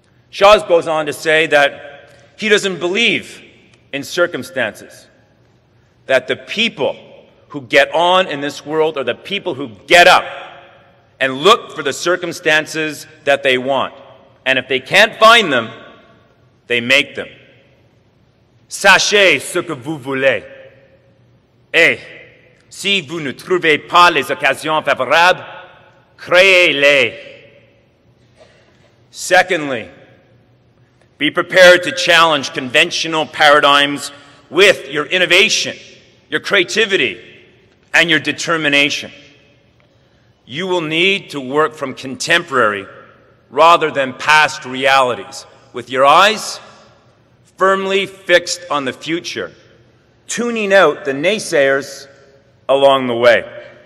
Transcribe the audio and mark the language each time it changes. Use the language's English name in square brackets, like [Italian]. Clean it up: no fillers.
[English] Shaw goes on to say that he doesn't believe in circumstances, that the people who get on in this world are the people who get up and look for the circumstances that they want. And if they can't find them, they make them. [French] Sachez ce que vous voulez. Et si vous ne trouvez pas les occasions favorables, créez-les. [English] Secondly, be prepared to challenge conventional paradigms with your innovation, your creativity, and your determination. You will need to work from contemporary rather than past realities, with your eyes firmly fixed on the future, tuning out the naysayers along the way.